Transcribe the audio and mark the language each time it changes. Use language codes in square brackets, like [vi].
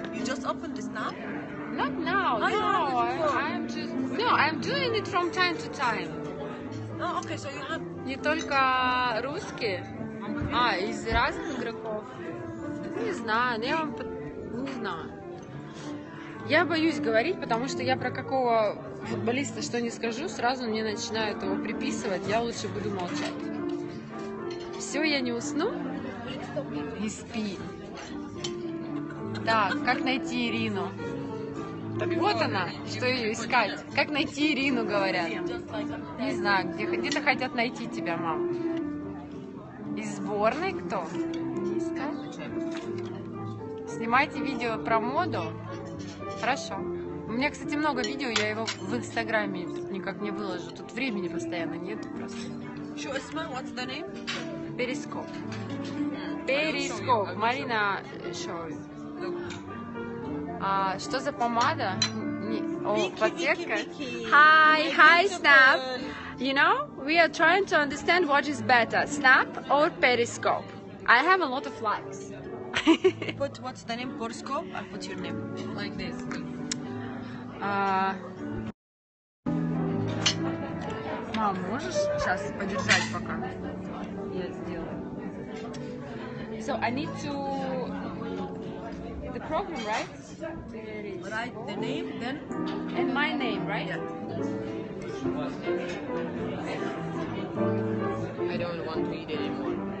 [en] You just opened this now? Not now. No, I'm doing it from time to time. Oh, okay, so you have. [ru] Не только русские, а из разных игроков. Не знаю, я вам не знаю. Я боюсь говорить, потому что я про какого футболиста что не скажу, сразу мне начинают его приписывать. Я лучше буду молчать. Все, я не усну. И спи. Так, как найти Ирину? Так вот она, что ее искать. Как найти Ирину, говорят. Не знаю, где-то хотят найти тебя, мам. Из сборной кто? Искать? Снимайте видео про моду. Хорошо. У меня, кстати, много видео, я его в Инстаграме никак не выложу. Тут времени постоянно нет просто. Что, [en] Эсма, what's the name? [ru] Перископ. Перископ. Марина Шоу. А, что за помада? О, подсветка? [en] Hi, hi, Snap. You know, we are trying to understand what is better, Snap or Periscope. I have a lot of likes. Put what's the name, Periscope? I put your name like this. [ru] Мам, можешь сейчас подержать пока? Я сделаю. [en] So I need to the program, right? Write the name, then and my name, right? Yeah. I don't want to eat anymore.